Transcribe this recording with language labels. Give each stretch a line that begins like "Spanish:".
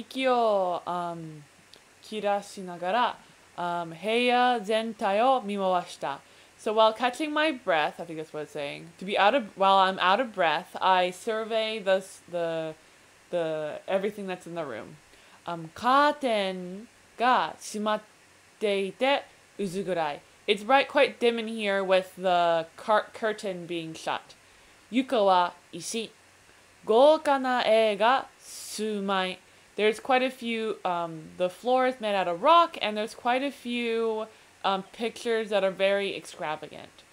Japanese: 息を、切らしながら、部屋全体を見回した。
English: So while catching my breath, I think that's what it's saying, while I'm out of breath, I survey the everything that's in the room.
Japanese: カーテンが閉まっていて、うずぐらい。
English: It's bright, quite dim in here with the curtain being shut.
Japanese: 床は石。豪華な絵が数枚。
English: There's quite a few, the floor is made out of rock, and there's quite a few pictures that are very extravagant.